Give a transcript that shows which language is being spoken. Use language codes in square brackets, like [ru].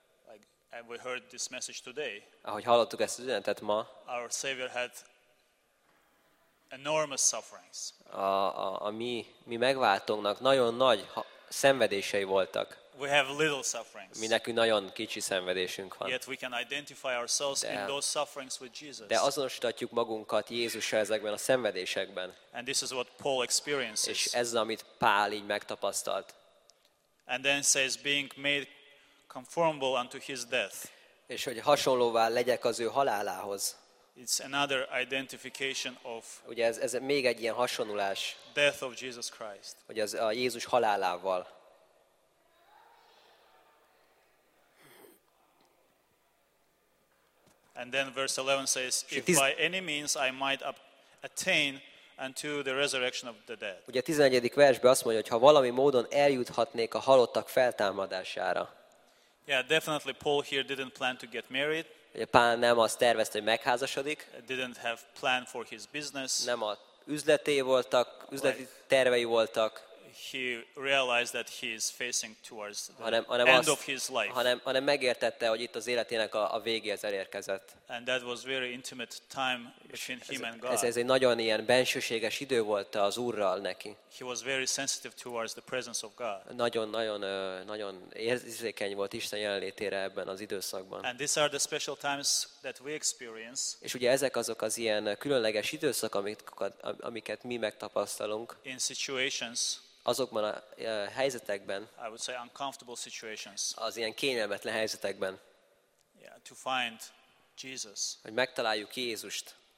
[en] Like, and we heard this message today. [hu] Ahogy hallottuk ezt az üzenetet ma. [en] Our Savior had enormous sufferings. [hu] A mi megváltónknak nagyon nagy szenvedései voltak. [en] We have little sufferings. [hu] Mi nekünk nagyon kicsi szenvedésünk van. [en] Yet we can identify ourselves in those sufferings with Jesus. [hu] De azonosítatjuk magunkat Jézussal ezekben a szenvedésekben. [en] And this is what Paul experiences. [hu] És ez az, amit Pál így megtapasztalt. [en] And then says being made conformable unto his death. [hu] És hogy hasonlóvá legyek az ő halálához. [en] It's another identification of. [hu] Ugye ez még egy ilyen hasonulás. [en] Death of Jesus Christ. [hu] Hogy az a Jézus halálával. [en] And then verse 11 says, if by any means I might attain unto the resurrection of the dead. [hu] Ugye a 11. versben azt mondja, hogy ha valami módon eljuthatnék a halottak feltámadására. [en] Yeah, definitely Paul here didn't plan to get married. [hu] Ugye Pál nem azt tervezte, hogy megházasodik. [en] Didn't have plan for his business. [hu] Nem az üzleti tervei voltak. [en] He realized that he is facing towards the end of his life. [hu] Hanem megértette, hogy itt az életének a végéhez elérkezett. [en] And that was very intimate time between him and God. [hu] Ez egy nagyon ilyen bensőséges idő volt az Úrral neki. [en] He was very sensitive towards the presence of God. [hu] Nagyon érzékeny volt Isten jelenlétére ebben az időszakban. [en] And these are the special times that we experience. [hu] És ugye ezek azok az ilyen különleges időszak, amiket mi megtapasztalunk. [en] In situations. [hu] Azokban a helyzetekben. [en] I would say uncomfortable situations. [hu] Az ilyen kényelmetlen helyzetekben. [en] Yeah, to find Jesus. [hu] Hogy megtaláljuk Jézust.